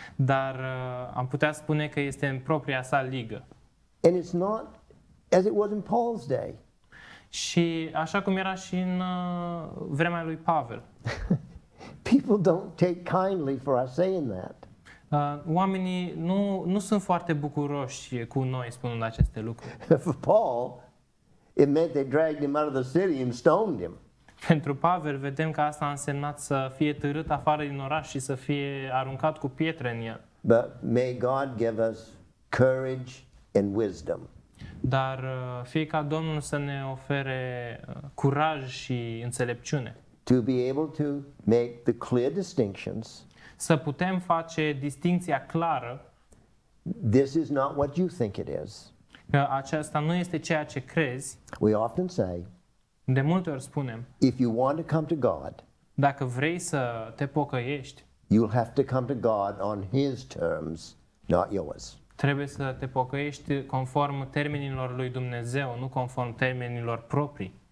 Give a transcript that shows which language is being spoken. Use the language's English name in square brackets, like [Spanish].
[Romanian] Dar am putea spune că este în propria sa ligă. [English] And it's not as it was in Paul's day. [Romanian] Și așa cum era și în vremea lui Pavel. [English] People don't take kindly for us saying that. [Romanian] Oamenii nu sunt foarte bucuroși cu noi spunând aceste lucruri. [English] For Paul, it meant they dragged him out of the city and stoned him. [Romanian] Pentru Pavel vedem că asta a însemnat să fie târât afară din oraș și să fie aruncat cu pietre în el. [English] But may God give us courage and wisdom. [Romanian] Dar fie ca Domnul să ne ofere curaj și înțelepciune. [English] To be able to make the clear distinctions. [Romanian] Să putem face distinția clară. [English] This is not what you think it is. [Romanian] Că aceasta nu este ceea ce crezi. [English] We often say, [Romanian] de multe ori spunem, [English] if you want to come to God, [Romanian] dacă vrei să te pocăiești, [English] you'll have to come to God on his terms, not yours. [Romanian] Trebuie să te pocăiești conform termenilor lui Dumnezeu, nu conform termenilor proprii.